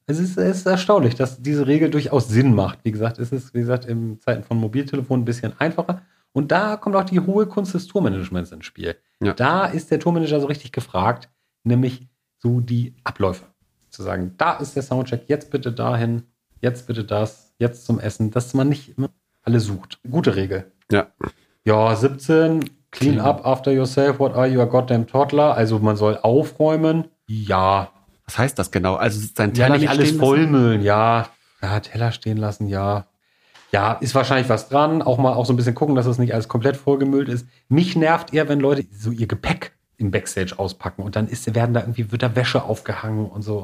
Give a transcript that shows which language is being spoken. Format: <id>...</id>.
<de>Es ist erstaunlich, dass diese Regel durchaus Sinn macht. Wie gesagt, es ist, wie gesagt, in Zeiten von Mobiltelefonen ein bisschen einfacher. Und da kommt auch die hohe Kunst des Tourmanagements ins Spiel. Ja. Da ist der Tourmanager so richtig gefragt, nämlich so die Abläufe. Zu sagen, da ist der Soundcheck, jetzt bitte dahin, jetzt bitte das, jetzt zum Essen, dass man nicht immer alle sucht. Gute Regel. Ja.</de> <en>Ja, 17, clean up after yourself, what are you, a goddamn toddler?</en> <de>Also man soll aufräumen. Ja. Was heißt das genau? Also sein Teller nicht alles vollmüllen, Teller stehen lassen, Ja, ist wahrscheinlich was dran. Auch so ein bisschen gucken, dass das nicht alles komplett vollgemüllt ist. Mich nervt eher, wenn Leute so ihr Gepäck im Backstage auspacken und dann wird da Wäsche aufgehangen und so.</de>